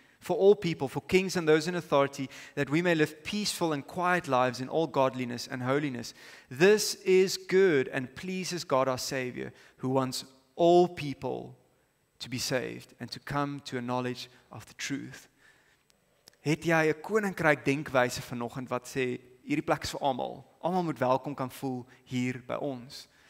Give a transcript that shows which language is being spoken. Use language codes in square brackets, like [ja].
[en] For all people, for kings and those in authority, that we may live peaceful and quiet lives in all godliness and holiness. This is good and pleases God our Savior, who wants all people to be saved and to come to a knowledge of the truth. [af] Het jy 'n koninkryk denkwyse vanoggend wat sê, hierdie plek is vir almal. Almal moet welkom kan voel hier by ons.